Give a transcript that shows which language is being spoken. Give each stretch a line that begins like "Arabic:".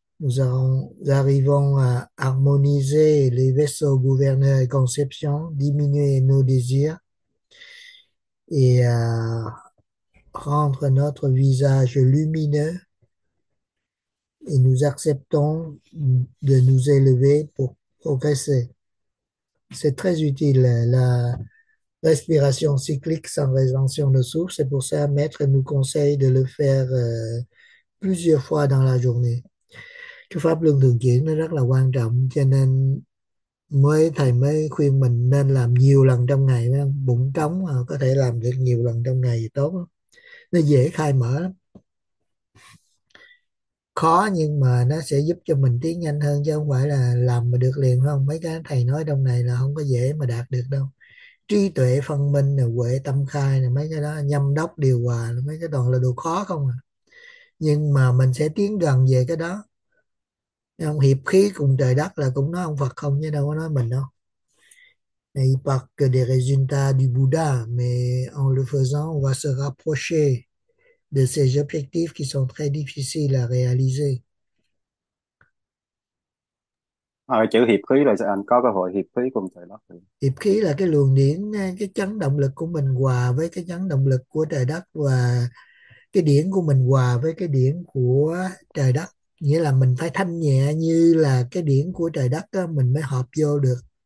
French: Nous arrivons à harmoniser les vaisseaux gouverneurs et conceptions, diminuer nos désirs et à rendre notre visage lumineux et nous acceptons de nous élever pour progresser. C'est très utile, la respiration cyclique sans rétention de souffle. C'est pour ça, Maître nous conseille de le faire plusieurs fois dans la journée.
Vietnamese: Cái pháp luân thường chuyển nó rất là quan trọng, cho nên mới thầy mới khuyên mình nên làm nhiều lần trong ngày, bụng trống mà có thể làm được nhiều lần trong ngày thì tốt lắm. Nó dễ khai mở lắm. Khó nhưng mà nó sẽ giúp cho mình tiến nhanh hơn chứ không phải là làm mà được liền không. Mấy cái thầy nói trong này là không có dễ mà đạt được đâu. Trí tuệ phân minh nè, huệ tâm khai nè, mấy cái đó nhâm đốc điều hòa, mấy cái toàn là đồ khó không à. Nhưng mà mình sẽ tiến gần về cái đó. Ông hiệp khí cùng trời đất là cũng nói ông Phật không chứ đâu có nói mình đâu.
French: Il parle que des résultats du Bouddha, mais en le faisant, on va se rapprocher de ces objectifs qui sont très difficiles à réaliser.
Vietnamese: Chữ hiệp khí là anh có cơ hội hiệp khí cùng trời đất. Hiệp khí là cái luồng điển, cái chấn động lực của mình hòa với cái chấn động lực của trời đất và cái điển của mình hòa với cái điển của trời đất. Nghĩa là mình phải thanh nhẹ như là cái điển của trời đất đó, mình mới hợp vô được.